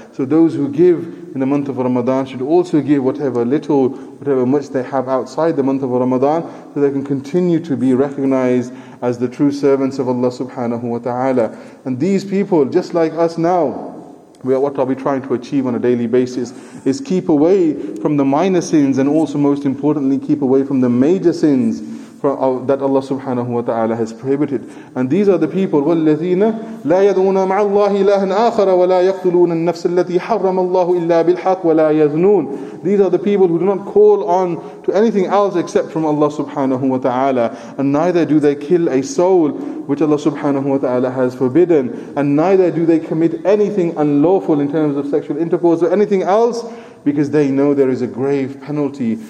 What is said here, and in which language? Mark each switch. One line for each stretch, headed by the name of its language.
English: So those who give in the month of Ramadan should also give whatever little, whatever much they have outside the month of Ramadan, so they can continue to be recognized as the true servants of Allah subhanahu wa ta'ala. And these people, just like us now, what are we trying to achieve on a daily basis is keep away from the minor sins, and also most importantly keep away from the major sins that Allah subhanahu wa ta'ala has prohibited. And these are the people,
Arabic: وَالَّذِينَ لَا يَدْعُونَ مَعَ اللَّهِ إِلَٰهًا آخَرَ وَلَا يَقْتُلُونَ النَّفْسَ الَّتِي حَرَّمَ اللَّهُ إِلَّا بِالْحَقِّ وَلَا يَذْنُونَ.
English: These are the people who do not call on to anything else except from Allah subhanahu wa ta'ala, and neither do they kill a soul which Allah subhanahu wa ta'ala has forbidden, and neither do they commit anything unlawful in terms of sexual intercourse or anything else, because they know there is a grave penalty.